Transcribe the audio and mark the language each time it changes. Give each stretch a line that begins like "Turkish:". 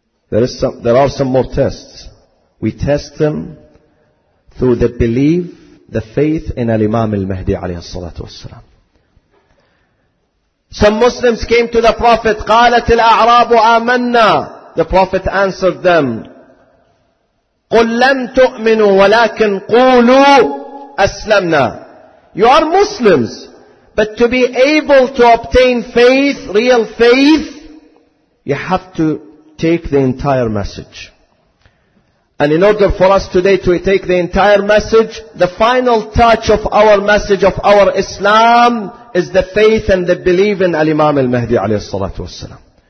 English: There are some more tests. We test them through the belief, the faith in Al-Imam Al-Mahdi alayhi salatu wasalam. Some Muslims came to the Prophet,
Arabic: قالت الأعراب آمنا.
English: The Prophet answered them,
Arabic: قُلْ لَمْ تُؤْمِنُوا وَلَكِنْ قُولُوا أَسْلَمْنَا.
English: You are Muslims, but to be able to obtain faith, real faith, you have to take the entire message. And in order for us today to take the entire message, the final touch of our message of our Islam is the faith and the belief in Al-Imam Al-Mahdi alayhi salatu wasalam.